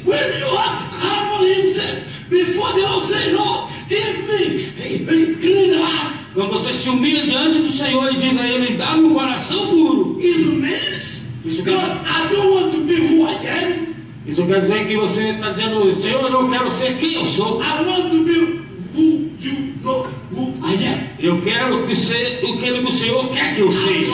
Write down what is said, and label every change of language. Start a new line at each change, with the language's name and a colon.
English: When you act humble himself before the Lord, say, Lord, give me a clean heart.
Portuguese: Quando você se humilha diante do Senhor e diz a ele, dá-me um coração puro. Isso
English: means, God, I don't want to be who I am.
Portuguese: Isso quer dizer que você está dizendo, Senhor, eu não quero ser quem eu sou.
English: I want to be who you know who I am.
Portuguese: Eu quero ser o que o Senhor quer que eu seja.